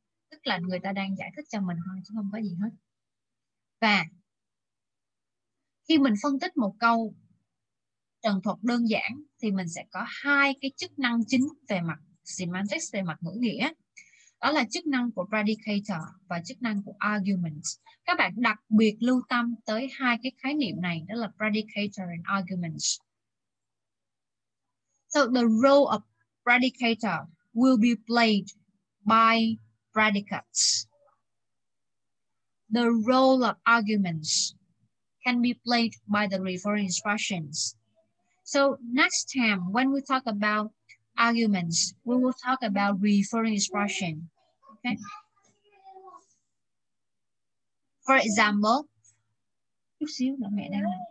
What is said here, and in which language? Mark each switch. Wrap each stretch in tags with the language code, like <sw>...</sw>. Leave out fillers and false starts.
<vi>Tức là người ta đang giải thích cho mình thôi chứ không có gì hết. Và khi mình phân tích một câu trần thuật đơn giản thì mình sẽ có hai cái chức năng chính về mặt semantics, về mặt ngữ nghĩa. Đó là chức năng của predicator và chức năng của argument. Các bạn đặc biệt lưu tâm tới hai cái khái niệm này, đó là predicator and argument.</vi> <en>So the role of predicator will be played by predicates. The role of arguments can be played by the referring expressions. So next time, when we talk about arguments, we will talk about referring expression. Okay. For example,</en> <vi>chút xíu nữa mẹ đang làm.</vi>